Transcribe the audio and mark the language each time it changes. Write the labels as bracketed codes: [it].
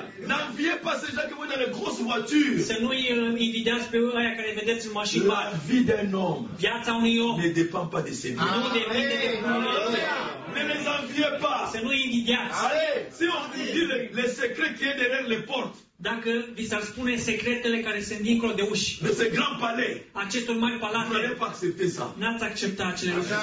[fr] N'enviez pas ces gens qui vont dans les grosses voitures. [ro] Să nu îi invidiați pe aia care vedeți în mașini mari. [fr] La vie d'un homme. [ro] Viața unui om. [fr] Ne depinde pas de ces vies. [ro] Nu depinde de ce. [fr] Ne les enviez pas. [ro] Să nu îi invidiați. [fr] Allez. Si on vous dit le secret qui est derrière les portes. [ro] Dacă vi s-ar spune secretele care sunt dincolo de uși. [fr] Ce grand palais. [ro] Acestul mare palat. Nu ați acceptat [fr] ça. [ro] N-ați acceptat acele lucruri.